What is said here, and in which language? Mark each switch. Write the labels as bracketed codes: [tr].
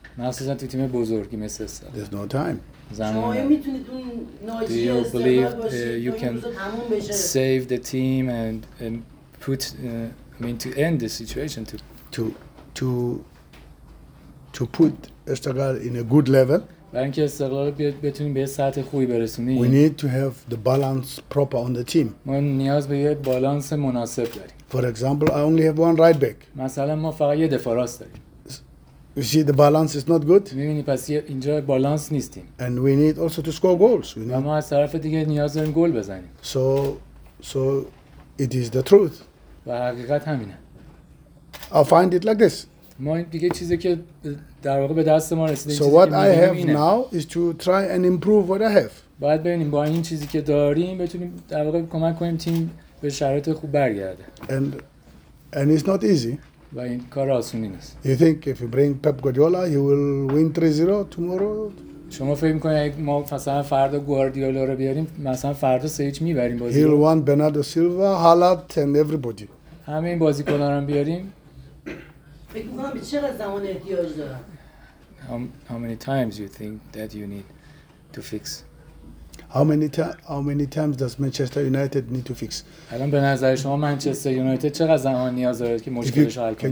[fa] مخصوصاً توی تیم بزرگی مثل استقلال. [en] There's no time. [fa] زمانی. [en] Do you believe you can save the team and put? I mean to end the situation to put Estagal in a good level. [fa] برای استقلال بتونیم به سطح خوبی برسونیم. [en] We need to have the balance proper on the team. [fa] ما نیاز به یه بالانس مناسب داریم. [en] For example, I only have one right back. [fa] مثلا ما فقط یه دفاع راست داریم. [en] You see the balance is not good. [fa] می‌بینی پس اینجا بالانس نیستیم. [en] And we need also to score goals. [fa] و ما از طرف دیگه نیاز داریم گل بزنیم. [en] So it is the truth. [fa] و حقیقت همینه. [en] I'll find it like this. [fa] ما این دیگه چیزی که در واقع به دست ما رسیده. [en] So what I have now is to try and improve what I have. [fa] باید ببینیم با این چیزی که داریم بتونیم در واقع کمک کنیم تیم به شرایط خوب برگرده. [en] And it's not easy. [fa] و این کار آسونی نیست. [en] You think if you bring Pep Guardiola, he will win 3-0 tomorrow? [fa] شما فکر می‌کنید ما مثلا فردا گواردیولا رو بیاریم مثلا فردا سه هیچ می‌بریم بازی رو؟ [en] He'll want Bernardo Silva, Haaland and everybody. [fa] همه این بازیکن‌ها رو بیاریم. فکر می‌کنم به چقدر زمان احتیاج دارم. [en] How many times you think that you need to fix? How many times does Manchester United need to fix? [fa] الان به نظر شما منچستر یونایتد چقدر زمان نیاز داره که مشکلش رو حل کنه؟